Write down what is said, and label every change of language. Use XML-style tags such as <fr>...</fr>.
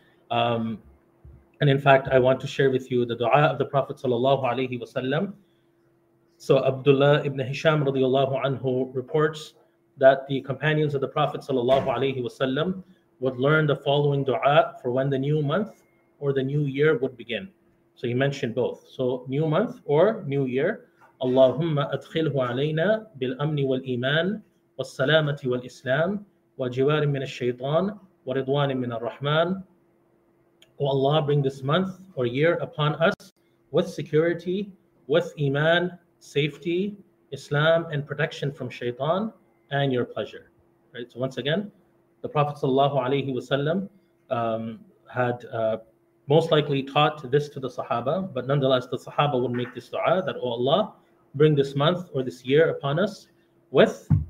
<en>And in fact, I want to share with you the dua of the Prophet sallallahu alaihi wasallam. So Abdullah ibn Hisham radiyallahu anhu reports that the companions of the Prophet sallallahu alaihi wasallam would learn the following dua for when the new month or the new year would begin. So he mentioned both. So new month or new year.</en> <ar>Allahumma adkhilhu alayna bil amni wal iman والسلامة والإسلام وجوار من الشيطان ورضوان من الرحمن.</ar> <en>O Allah, bring this month or year upon us with security, with iman, safety, Islam, and protection from shaitan and your pleasure. Right. So once again, the Prophet sallallahu alaihi wasallam had most likely taught this to the Sahaba, but nonetheless, the Sahaba would make this du'a that, O Allah, bring this month or this year upon us with.</en>